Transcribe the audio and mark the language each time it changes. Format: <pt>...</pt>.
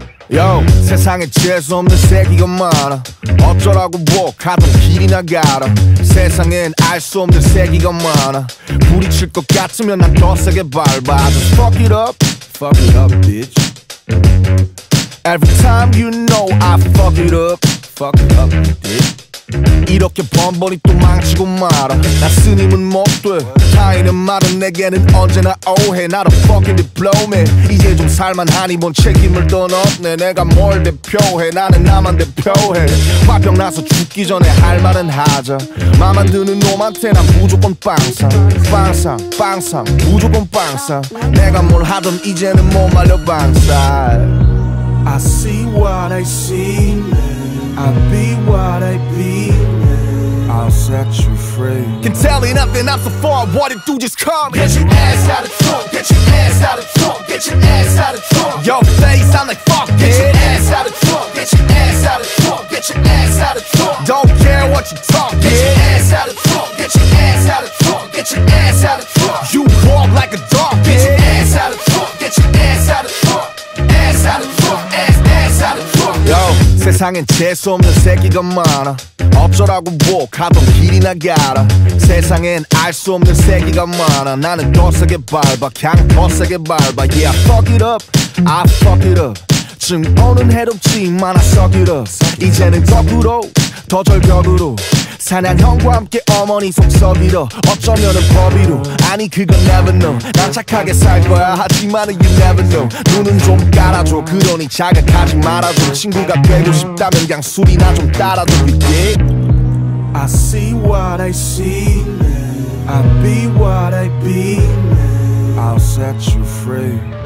<ko>Yo, 세상에 재수 없는 새끼가 많아. 어쩌라고 뭐 가던 길이나 가라. 세상엔 알 수 없는 새끼가 많아. 부딪힐 것 같으면 난 더 세게 밟아.</ko> <en>Just fuck it up, bitch. Every time you know I fuck it up, bitch.</en> <ko>이렇게 번번이 또 망치고 말아. 나 스님은 못 돼. 타인은 말은 내게는 언제나 오해. 나도</ko> <en>fucking diplomat.</en> <ko>이제 좀 살만하니 뭔 책임을 떠넘네. 내가 뭘 대표해. 나는 나만 대표해. 화병 나서 죽기 전에 할 말은 하자. 맘만 드는 놈한테 난 무조건 빵상. 빵상 빵상 무조건 빵상. 내가 뭘 하던 이제는 못 말려 빵살.</ko> <en>I see what I see. I be what I be, I'll set you free. Can tell you nothing out so far, what it do, just call me. Get your ass out of trunk, get your ass out of trunk, get your ass out of trunk. Yo, face, I'm like, fuck it. Get your ass out of trunk, get your ass out of trunk, get your ass out of trunk. Don't care what you talk, get your ass out of trunk, get your ass out of trunk, get your ass out of trunk. You walk like a dog, get your ass out of trunk, get your ass out of trunk. Ass out of trunk, ass out of trunk.</en> <ko>Yo, 세상엔 재수 없는 새끼가 많아. 어쩌라고 뭐 가던 길이나 가라. 세상엔 알 수 없는 새끼가 많아. 나는 더 세게 밟아, 향 더 세게 밟아.</ko> <en>Yeah, I fuck it up, I fuck it up.</en> <ko>증오는 해롭지만</ko> <en>I suck it up.</en> <ko>이제는 거꾸로, 더 절벽으로. 사냥형과 함께 어머니 속 썩이러. 어쩌면은 법이로. 아니 그건</ko> <en>never know.</en> <ko>난 착하게 살 거야. 하지만은</ko> <en>you never know.</en> <ko>눈은 좀 깔아줘. 그러니 자극하지 말아줘. 친구가 되고 싶다면 그냥 술이나 좀 따라줘.</ko> <en>You dig? I see what I see. I be what I be. I'll set you free.</en>